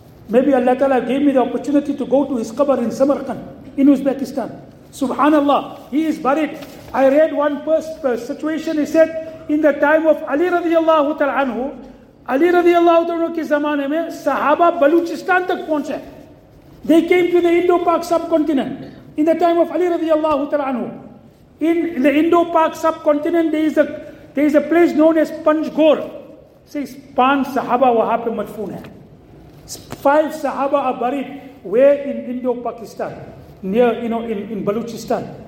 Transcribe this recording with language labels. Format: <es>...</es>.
<en>Maybe Allah تعالیٰ give me the opportunity to go to his قبر in Samarkand in Uzbekistan. سبحان اللہ, he is buried. I read one situation, he said in the time of</en> <ur>علی رضی اللہ تعالیٰ عنہ, علی رضی اللہ عنہ کے زمانے میں صحابہ بلوچستان تک پہنچے.</ur> <en>They came to the Indo Pak subcontinent in the time of Ali رضی اللہ تعالیٰ عنہ. In the Indo Pak subcontinent there is a place known as Panjgur.</en> <ur>پانچ صحابہ وہاں پہ مدفون ہے.</ur> <en>Five صحابہ are buried way in Indo Pakistan near you know in Balochistan.</en>